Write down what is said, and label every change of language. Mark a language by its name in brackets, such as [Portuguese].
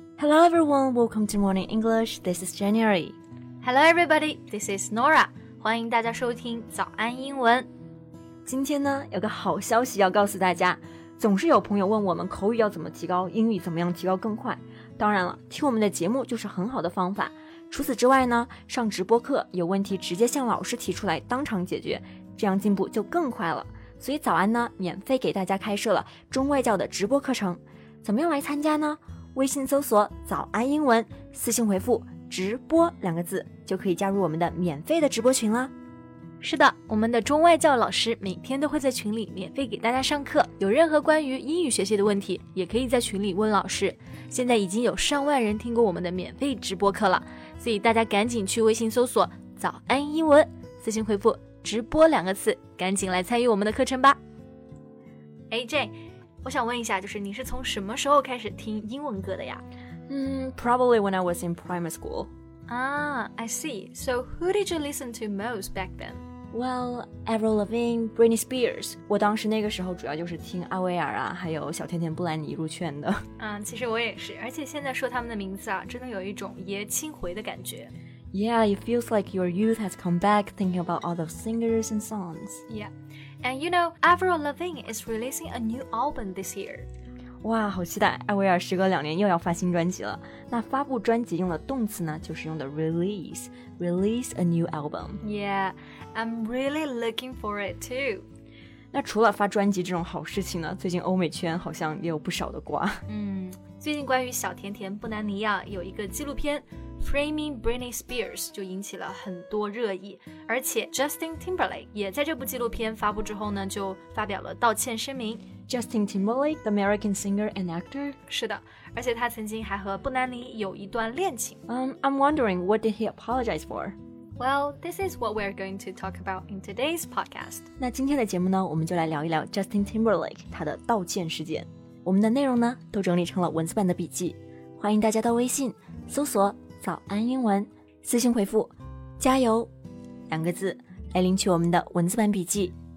[English] everyone, welcome to Morning English. This is January. Hello everybody, this is Nora. [Chinese] 欢迎大家收听早安英文。今天呢，有个好消息要告诉大家。总是有朋友问我们口语要怎么提高，英语怎么样提高更快。当然了，听我们的节目就是很好的方法。除此之外呢，上直播课有问题直接向老师提出来，当场解决，这样进步就更快了。所以早安呢，免费给大家开设了中外教的直播课程。怎么样来参加呢？微信搜索早安英文，私信回复直播两个字，就可以加入我们的免费的直播群啦。是的，我们的中外教老师每天都会在群里免费给大家上课，有任何关于英语学习的问题也可以在群里问老师。现在已经有上万人听过我们的免费直播课了，所以大家赶紧去微信搜索早安英文，私信回复直播两个字，赶紧来参与我们的课程吧。 AJ，我想问一下，就是你是从什么时候开始听英文歌的呀？ [English] Probably when I was in primary school. I see. So who did you listen to most back then? Well, Avril Lavigne, Britney Spears. [Chinese] 我当时那个时候主要就是听艾薇儿啊，还有小甜甜布兰妮入圈的。其实我也是，而且现在说他们的名字啊，真的有一种爷青回的感觉。 [English] Yeah, it feels like your youth has come back thinking about all the singers and songs. Yeah, and you know, Avril Lavigne is releasing a new album this year. [Chinese] 哇，好期待，艾薇儿时隔两年又要发新专辑了。那发布专辑用的动词呢，就是用的 [English] release a new album. Yeah, I'm really looking for it too. [Chinese] 那除了发专辑这种好事情呢，最近欧美圈好像也有不少的瓜。最近关于小甜甜布兰妮亚有一个纪录片Framing Britney Spears 就引起了很多热议，而且 Justin Timberlake 也在这部纪录片发布之后呢，就发表了道歉声明。 [English] Justin Timberlake, the American singer and actor? [Chinese] 是的，而且他曾经还和布兰妮有一段恋情。 [English] I'm wondering, what did he apologize for? Well, this is what we're going to talk about in today's podcast. [Chinese] 那今天的节目呢，我们就来聊一聊 Justin Timberlake 他的道歉事件。我们的内容呢，都整理成了文字版的笔记，欢迎大家到微信搜索早安英文，私信回复加油两个字来领取我们的文字版笔记。